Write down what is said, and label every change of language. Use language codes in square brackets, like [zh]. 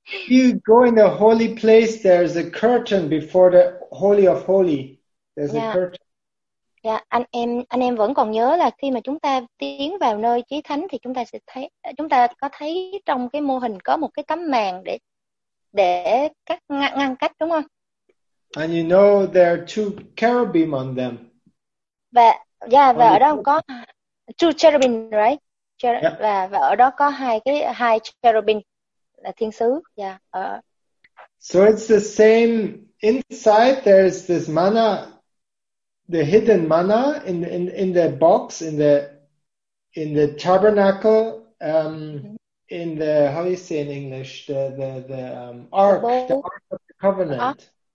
[en] You go in the holy place, there's a curtain before the holy of holy. There's a curtain. [vi] Yeah, anh em vẫn còn nhớ là khi mà chúng ta tiến vào nơi chí thánh thì chúng ta có thấy trong cái mô hình có một cái tấm màn để cắt ngăn cách đúng không? [en] And you know there are two cherubim on them. [vi] Và ở đó có [en] two [vi] cherubim, [en] right? [vi] Và ở đó có hai cherubim là thiên sứ. [en] So it's the same inside, there's this manna, the hidden manna in the box in the tabernacle, in the, how do you say in English, ark, the ark of the covenant.